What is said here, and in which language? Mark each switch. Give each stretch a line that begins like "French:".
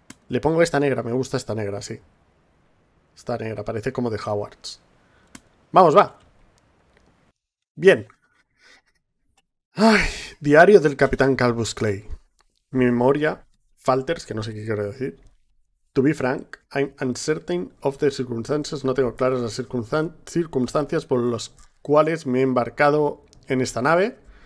Spanish: Le pongo esta negra, me gusta esta negra, sí. Esta negra, parece como de Hogwarts. ¡Vamos, va! Bien. Ay, diario del Capitán Calvus Clay. Memoria, falters, que no sé qué quiero decir.
English: To be frank, I'm uncertain of the circumstances.
Spanish: No tengo claras las circunstancias por las cuales me he embarcado en esta nave.